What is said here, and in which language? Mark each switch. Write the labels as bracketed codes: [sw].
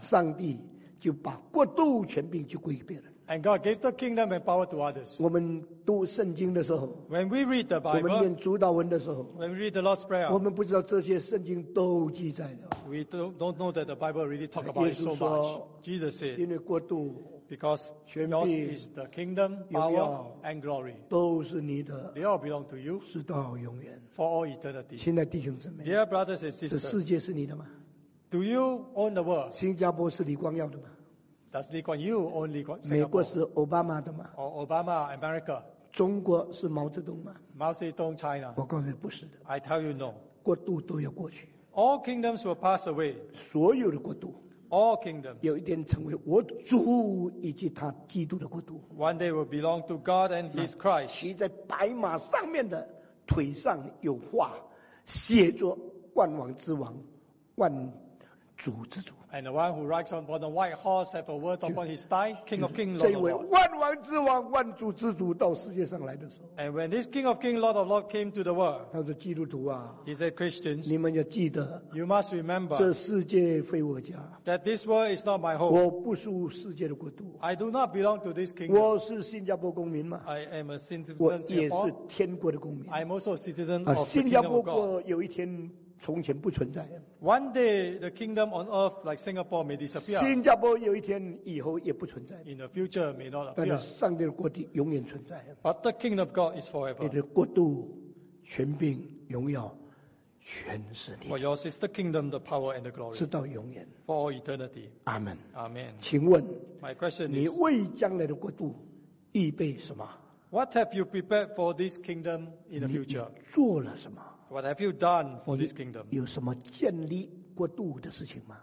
[zh] 上帝就把国度权柄就归给别人。 [en] And God gave the kingdom and power to others. [zh] 我们读圣经的时候， [en] When we read the Bible, [zh] 我们念主祷文的时候， [en] When we read the Lord's Prayer, [zh] 我们不知道这些圣经都记载了。 [en] We don't know that the Bible really talk about it so much. Jesus said, [zh] 因为国度， [en] Because yours is the kingdom, power, and glory. [zh] 都是你的， [en] They all belong to you. [zh] 直到永远， [en] For all eternity. [zh] 亲爱弟兄姊妹， [en] Dear brothers and sisters, [zh] 这世界是你的吗？ [en] Do you own the world? [zh] 新加坡是李光耀的吗？ [en] Does Lee Kuan Yew own Lee Kuan Singapore? [zh] 美国是 Obama 的吗？ [en] Or Obama, America? [zh] 中国是毛泽东吗？ [en] Mao Zedong, China? [zh] 我告诉你不是的。 [en] I tell you no. [zh] 国度都要过去。 [en] All kingdoms will pass away. [zh] 所有的国度。 [en] All kingdoms. [zh] 有一天成为我主以及他基督的国度。 [en] One day will belong to God and His Christ. [zh] 骑在白马上面的腿上有画，写着万王之王，万主之主。 [en] And the one who rides on the white horse have a word upon his thigh, King of Kings, Lord of Lords. [zh] 这位万王之王，万主之主到世界上来的时候。 [en] And when this King of Kings, Lord of Lords came to the world. [zh] 他说基督徒啊。 [en] He said, Christians. [zh] 你们要记得。 [en] You must remember. [zh] 这世界非我家。 [en] That this world is not my home. [zh] 我不属世界的国度。 [en] I do not belong to this kingdom. [zh] 我是新加坡公民嘛。 [en] I am a citizen of Singapore. [zh] 我也是天国的公民。 [en] I am also a citizen of the kingdom of God. [zh] 新加坡有一天从前不存在。 [en] One day, the kingdom on earth like Singapore may disappear. [zh] 新加坡有一天以后也不存在。 [en] In the future, may not appear. [zh] 但是上帝的国度永远存在。 [en] But the kingdom of God is forever. [zh] 你的国度、权柄、荣耀，全是你的。 [en] For yours is the kingdom, the power, and the glory. [zh] 直到永远。 [en] For all eternity. Amen. Amen. [zh] 请问， [en] My question is, [zh] 你为将来的国度预备什么？ [en] What have you prepared for this kingdom in the future? [zh] 你做了什么？ [en] What have you done for this kingdom? [zh] 有什么建立国度的事情吗？